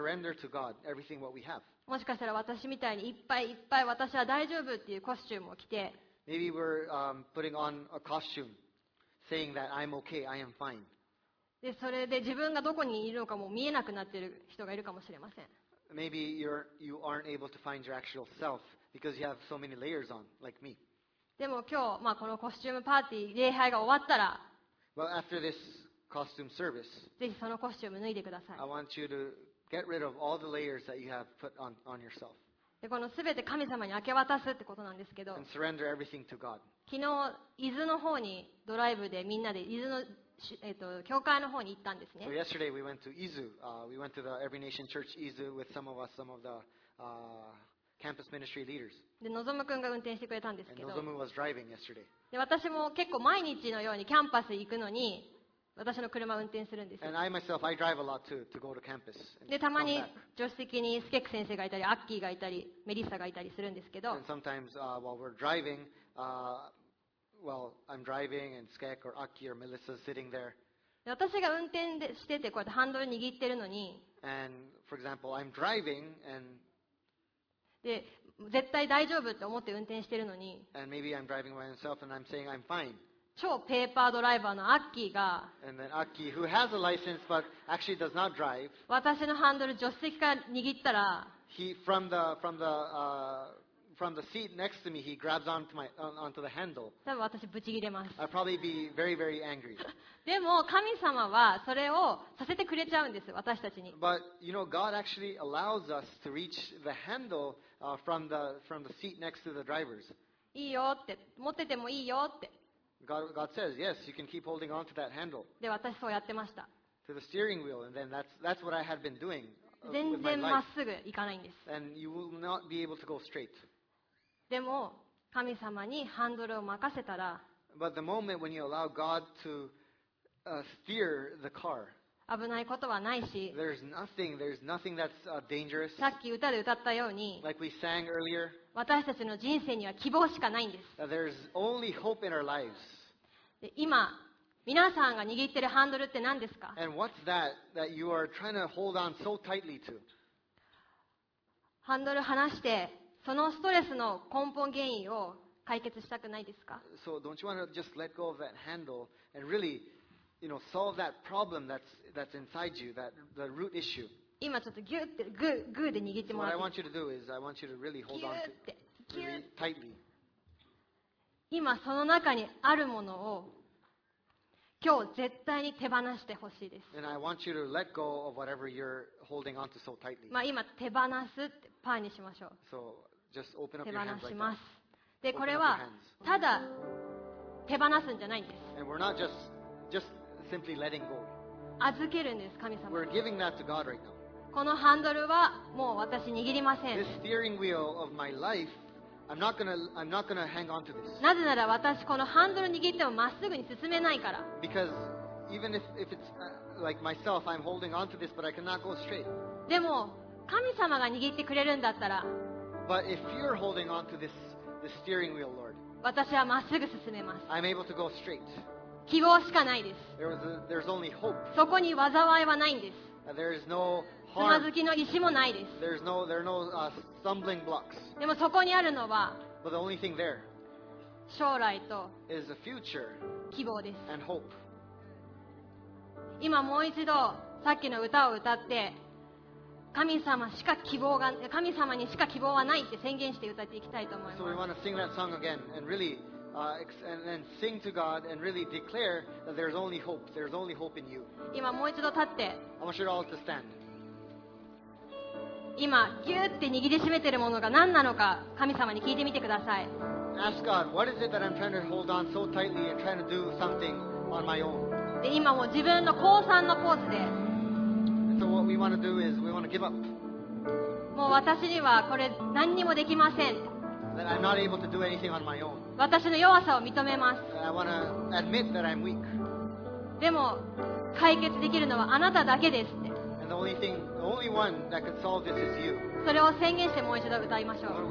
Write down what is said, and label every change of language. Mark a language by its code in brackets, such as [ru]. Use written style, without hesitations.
[ja] もしかしたら私みたいにいっぱいいっぱい私は大丈夫っていうコスチュームを着て [en] Maybe we're putting on a costume saying that I'm okay, I am fine. [ja] でそれで自分がどこにいるのかも見えなくなっている人がいるかもしれません。 [en] Maybe you aren't able to find your actual self because you have so many layers on, like me. [ja] でも今日、まあ、このコスチュームパーティー礼拝が終わったら [en] well, after this costume service, [ja] ぜひそのコスチューム脱いでください。 [en] I want you to get rid of all the layers that you have put on yourself. [ja] でこの全て神様に明け渡すってことなんですけど [en] And surrender everything to God. [ja] 昨日伊豆の方にドライブでみんなで伊豆の、教会の方に行ったんですね。 [en] So yesterday we went to Izu. We went to the Every Nation Church Izu with some of us, some of the、Campus ministry leaders. [ja] で、のぞむくんが運転してくれたんですけど。 [en] And Nozomu was driving yesterday. [ja] で、私も結構毎日のようにキャンパス行くのに、私の車を運転するんです。 [en] And I myself, I drive a lot too to go to campus. [ja] で、たまに助手席にスケック先生がいたり、アッキーがいたり、メリッサがいたりするんですけど。 [en] And sometimes, while we're driving, I'm driving and Skek or Aki or Melissa is sitting there. [ja] で、私が運転しててこうやってハンドル握ってるのに。 [en] And for example, I'm driving and [ja] で絶対大丈夫って思って運転してるのに [en] and maybe I'm driving by myself and I'm saying I'm fine. [ja] 超ペーパードライバーのアッキーが [en] and then Aki, who has a license but actually does not drive, [ja] 私のハンドル助手席から握ったら [en] he, from the seat next to me, he grabs onto the handle. [ja] 多分私ブチ切れます [en] I'll probably be very, very angry. [ja] でも神様はそれをさせてくれちゃうんです私たちに [en] But you know, God actually allows us to reach the handlefrom the seat next to the drivers. [ja] いいよって持っててもいいよって。 [en] God says yes, you can keep holding on to that handle. [ja] で私そうやってました。 [en] To the steering wheel, and then that's what I had been doing. [ja] 全然まっすぐ行かないんです。 [en] And you will not be able to go straight. [ja] でも神様にハンドルを任せたら。 [en] But the moment when you allow God to steer the car. [ja] 危ないことはないし、 [en] nothing that's dangerous. [ja] さっき歌で歌ったように、 [en] like、we sang earlier, [ja] 私たちの人生には希望しかないんです。 [en] There's only hope in our lives. [ja] で今、皆さんが握っているハンドルって何ですか？ [en] And what's that that you are trying to hold on so tightly to? [ja] ハンドル離して、そのストレスの根本原因を解決したくないですか？ [en] So don't you want to just let go of that handle and really, you know, solve that problem that's inside you, that the root issue? [ja] 今ちょっとギュってグーで握ってもら [en] う。So what I want you to do is I want you to really hold on to it really tightly. [ja] 今その中にあるものを今日絶対に手放してほしいです。 [en] And I want you to let go of whatever you're holding onto so tightly. [ja] まあ今手放すってパーにしましょう。 [en] So just open up your hands like that. [ja] 手放します。でこれはただ手放すんじゃないんです。 [en] And we're not just simply letting go. [ja] 預けるんです神様。 [en] We're giving that to God right now. [ja] このハンドルはもう私握りません。 [en] This steering wheel of my life. I'm not gonna hang on to this. [ja] なぜなら私このハンドル握ってもまっすぐに進めないから。 [en] Because even if it's like myself, I'm holding on to this, but I cannot go straight. [ja] でも神様が握ってくれるんだったら。 [en] But if you're holding on to this, the steering wheel, Lord. [ja] 私はまっすぐ進めます。 [en] I'm able to go straight. [ja] 希望しかないです。 [en] There's only hope. [ja] そこに災いはないんです。 [en] There is no harm. [ja] つまずきの石もないです。 [en] There's no, there are no, stumbling blocks. [ja] でもそこにあるのは、 [en] But the only thing there [ja] 将来と [en] is the future [ja] 希望です。 [en] And hope. [ja] 今もう一度さっきの歌を歌って、神様にしか希望はないって宣言して歌っていきたいと思います。 [en] So we want to sing that song again and really, and then sing to God and really declare that there's only hope. There's only hope in you. [ja] 今もう一度立って。 [en] I want you all to stand. [ja] 今ギュって握りしめているものが何なのか神様に聞いてみてください。 [en] Ask God, what is it that I'm trying to hold on so tightly and trying to do something on my own? [ja] で今も自分の降参のポーズで、 [en] And so what we want to do is we want to give up. [ja] もう私にはこれ何にもできません。 [en] That I'm not able to do anything on my own. [ja] 私の弱さを認めます。 [en] I want to admit that I'm weak. [ja] でも解決できるのはあなただけですって。それを宣言してもう一度歌いましょう。